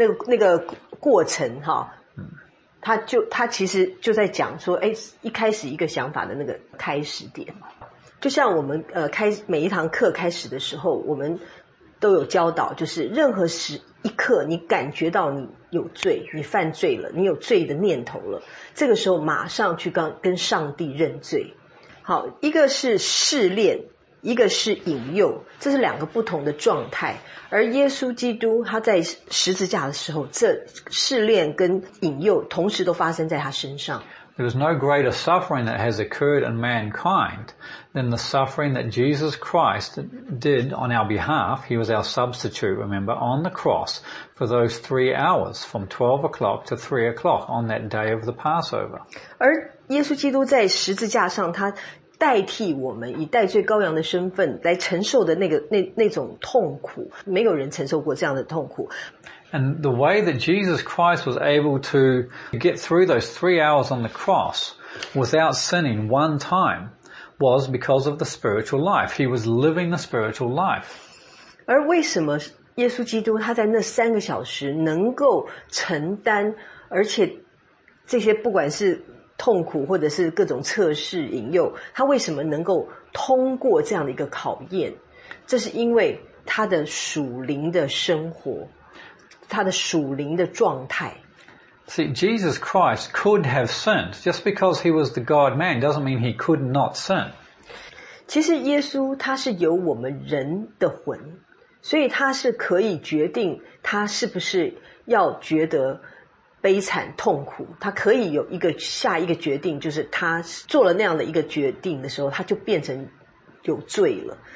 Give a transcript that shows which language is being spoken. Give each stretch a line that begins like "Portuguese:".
Chinese: 那个过程哈、它其实就在讲说，哎，一开始一个想法的那个开始点，就像我们开每一堂课开始的时候，我们都有教导，就是任何时一刻你感觉到你有罪，你犯罪了，你有罪的念头了，这个时候马上去跟上帝认罪。好，一个是试炼，一个是引诱，这是两个不同的状态。而耶稣基督他在十字架的时候，这试炼跟引诱同时都发生在他身上。
English: There is no greater suffering that has occurred in mankind than the suffering that Jesus Christ did on our behalf. He was our substitute, remember, on the cross for those 3 hours from 12 o'clock to 3 o'clock on that day of the Passover.
Chinese: 而耶稣基督在十字架上，他代替我们以代罪羔羊的身份来承受的那种痛苦，没有人承受过这样的痛苦。
English: And the way that Jesus Christ was able to get through those 3 hours on the cross without sinning one time was because of the spiritual life. He was living the spiritual life.
Chinese: 而为什么耶稣基督他在那三个小时能够承担，而且这些不管是痛苦或者是各种测试引诱，他为什么能够通过这样的一个考验？这是因为他的属灵的生活，他的属灵的状态。
English: See, Jesus Christ could have sinned. Just because he was the God-man doesn't mean he could not sin.
Chinese: 其实耶稣他是有我们人的魂，所以他是可以决定他是不是要觉得悲惨痛苦，他可以有一个下一个决定，就是他做了那样的一个决定的时候，他就变成有罪了。